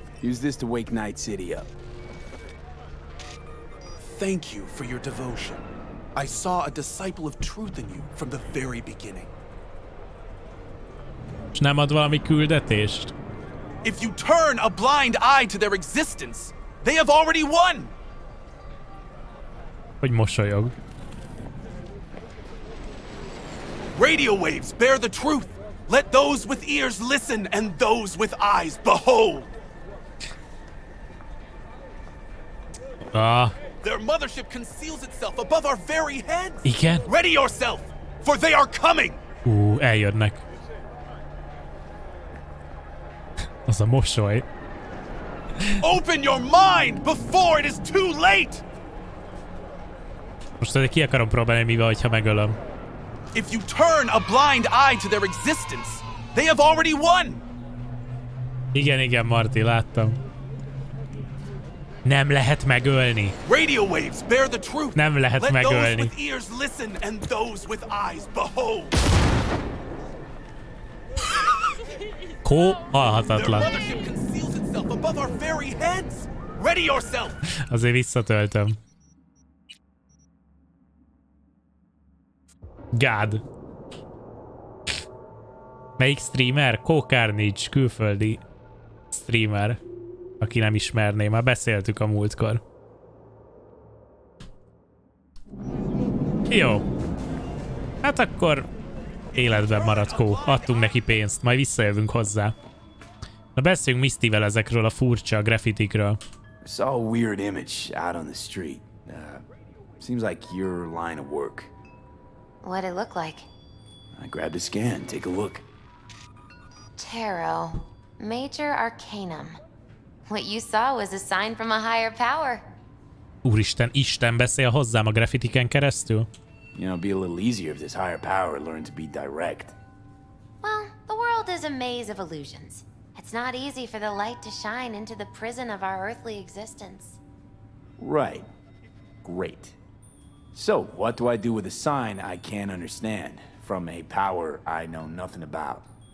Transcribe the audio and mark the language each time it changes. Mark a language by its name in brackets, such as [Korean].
[English] Use this to wake Night City up. Thank you for your devotion. I saw a disciple of truth in you from the very beginning. [Hungarian] És nem ad valami küldetést? [English] If you turn a blind eye to their existence, they have already won! [Hungarian] Hogy mosolyog. [English] Radio waves bear the truth. Let those with ears listen and those with eyes behold. Their mothership conceals itself above our very heads. [Hungarian] Igen. [English] Ready yourself, for they are coming. [Hungarian] Eljönnek. Az a mosoly. [English] Open your mind before it is too late. [Hungarian] Most ezt ki akarom próbálni, mivel, hogyha megölöm. [English] If you turn a blind eye to their existence, they have already won. [Hungarian] Igen, igen, Marty, láttam. Nem lehet megölni. [English] Radio waves bear the truth. [Hungarian] Nem lehet [English] Let [Hungarian] megölni. [English] Those with ears listen and those with eyes behold. [Hungarian] Kó, halhatatlan. [English] Their mothership conceals itself above our very heads. Ready yourself. [Hungarian] Azért visszatöltöm. Gád. Melyik streamer? Co-Carnage, külföldi streamer, aki nem ismerné, már beszéltük a múltkor. Jó. Hát akkor életben maradt Co. Adtunk neki pénzt, majd visszajövünk hozzá. Na beszéljünk Misty-vel ezekről a furcsa graffitikről. [English] I saw a weird image out on the street. Seems like your line of work. What'd it look like? I grabbed a scan. Take a look. Tarot. Major Arcanum. What you saw was a sign from a higher power. [Hungarian] Úristen, Isten beszél hozzám a graffitiken keresztül. [English] You know, it'd be a little easier if this higher power learned to be direct. Well, the world is a maze of illusions. It's not easy for the light to shine into the prison of our earthly existence. Right. Great. So, what do I do with a sign I can't understand from a power I know nothing about?